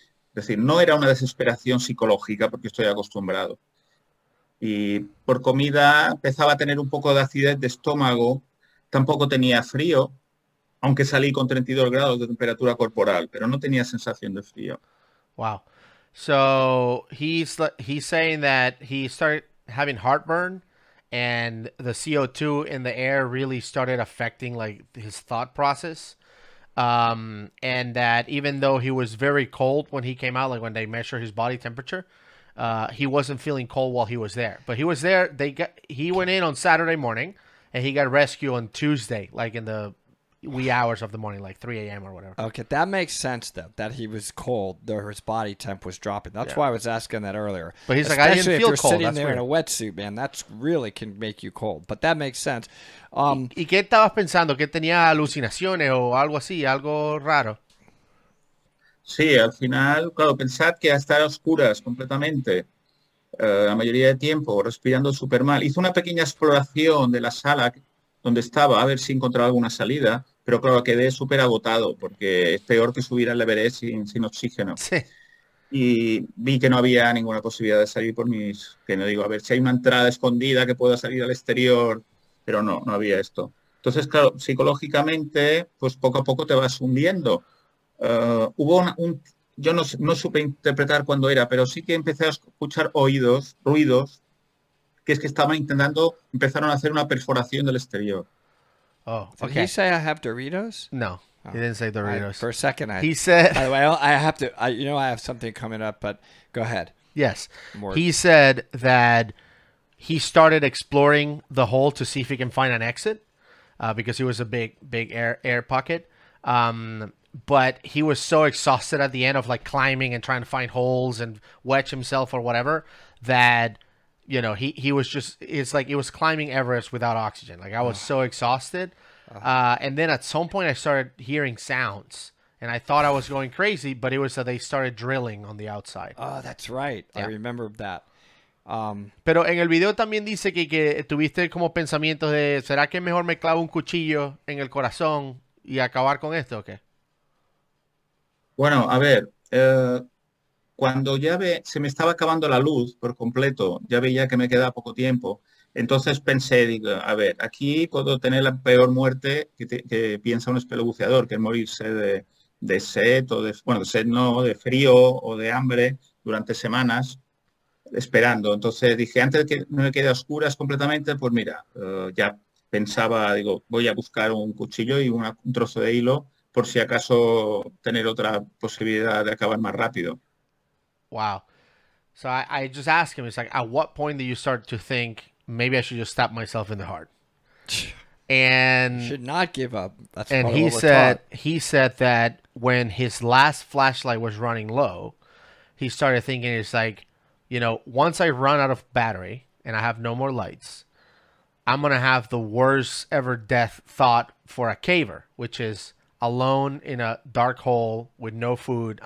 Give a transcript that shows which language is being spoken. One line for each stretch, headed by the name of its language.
Spanish: Es decir, no era una desesperación psicológica porque estoy acostumbrado. Y por comida empezaba a tener un poco de acidez de estómago, tampoco tenía frío, aunque salí con 32 grados de temperatura corporal, pero no tenía sensación de frío.
English: Wow. So he's saying that he started having heartburn and the CO2 in the air really started affecting like his thought process. And that even though he was very cold when he came out, like when they measure his body temperature, he wasn't feeling cold while he was there. But he was there. He went in on Saturday morning and he got rescued on Tuesday, like in the wee hours of the morning, like 3 a.m. or whatever. Okay, that makes sense, though, that he was cold, though his body temp was dropping. That's why I was asking that earlier. But he's especially like, I didn't feel cold. If you're sitting there in a wetsuit, man, that really can make you cold. But that makes sense.
Spanish: ¿Y qué estabas pensando? ¿Que tenía alucinaciones o algo así, algo raro? Sí, al final, claro, pensad que a estar a oscuras completamente, la mayoría de tiempo, respirando súper mal. Hizo una pequeña exploración de la sala donde estaba, a ver si encontraba alguna salida, pero claro, quedé súper agotado, porque es peor que subir al Everest sin oxígeno. Sí. Y vi que no había ninguna posibilidad de salir por mis... Que no digo, a ver si hay una entrada escondida que pueda salir al exterior, pero no había esto. Entonces, claro, psicológicamente, pues poco a poco te vas hundiendo. Hubo yo no supe interpretar cuándo era, pero sí que empecé a escuchar oídos, ruidos, que es que estaban intentando, empezaron a hacer una perforación del exterior.
English: Oh, okay. Did he say I have Doritos? No, he didn't say Doritos. He said... By the way, I have something coming up, but go ahead. Yes. He said that he started exploring the hole to see if he can find an exit, because it was a big, big air pocket. But he was so exhausted at the end of like climbing and trying to find holes and wedge himself or whatever that... You know, he was just, it's like he was climbing Everest without oxygen. Like I was so exhausted. And then at some point I started hearing sounds and I thought I was going crazy, but it was that they started drilling on the outside. Oh, that's right. Yeah. I remember that.
Spanish: Pero en el video también dice que tuviste como pensamientos de, ¿será que mejor me clavo un cuchillo en el corazón y acabar con esto o qué? Bueno, a ver, cuando ya se me estaba acabando la luz por completo, ya veía que me quedaba poco tiempo, entonces pensé, digo, a ver, aquí puedo tener la peor muerte que piensa un espelebuceador, que es morirse de sed, o de, bueno, de sed no, de frío o de hambre durante semanas esperando. Entonces dije, antes de que no me quede a oscuras completamente, pues mira, ya pensaba, digo, voy a buscar un cuchillo y un trozo de hilo por si acaso tener otra posibilidad de acabar más rápido.
English: Wow. So I just asked him, it's like, at what point did you start to think, maybe I should just stab myself in the heart? And should not give up. That's and he said, taught. He said that when his last flashlight was running low, he started thinking, it's like, you know, once I run out of battery and I have no more lights, I'm going to have the worst ever death thought for a caver, which is alone in a dark hole with no food.